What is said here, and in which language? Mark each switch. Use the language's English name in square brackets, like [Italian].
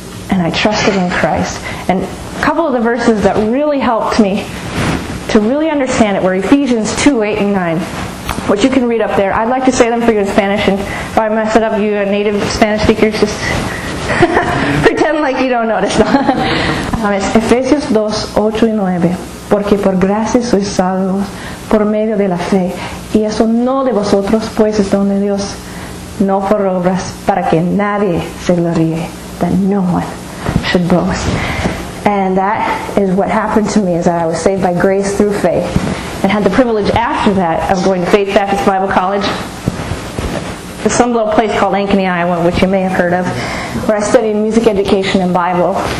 [English] And I trusted in Christ. And a couple of the verses that really helped me to really understand it were Ephesians 2, 8 and 9, which you can read up there. I'd like to say them for you in Spanish, and if I mess it up, you native Spanish speakers, just pretend like you don't notice. [Spanish] Ephesians 2, 8 y 9. Porque por gracia sois salvos por medio de la fe. Y eso no de vosotros, pues es don de Dios. No por obras, para que nadie se gloríe. [English] That no one should boast. And that is what happened to me, is that I was saved by grace through faith. And had the privilege after that of going to Faith Baptist Bible College. There's some little place called Ankeny, Iowa, which you may have heard of, where I studied music education and Bible.